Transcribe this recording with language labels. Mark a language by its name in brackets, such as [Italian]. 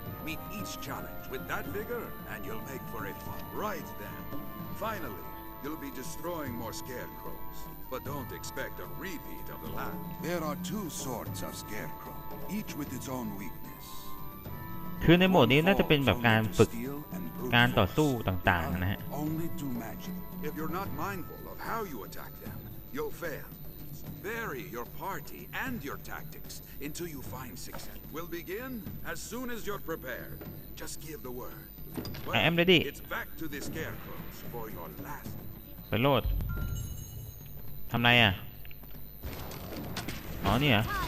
[English] Meet each challenge with that vigor and you'll make for it fun. Right then. Finally, you'll be destroying more scarecrows. But don't expect a repeat of the last. There are two sorts of scarecrow, each with its own weakness. [Thai] คือในโหมดนี้น่าจะเป็นแบบการฝึกการต่อสู้ต่างๆนะฮะ [English] Only do magic. If you're not mindful of how you attack them, you'll fail. Vary your party and your tactics until you find success. We'll begin as soon as you're prepared. Just give the word. I am ready. It's back to the scarecrows for your last. [Thai] ไปโหลดทำไรอ่ะอ๋อนี่อ่ะ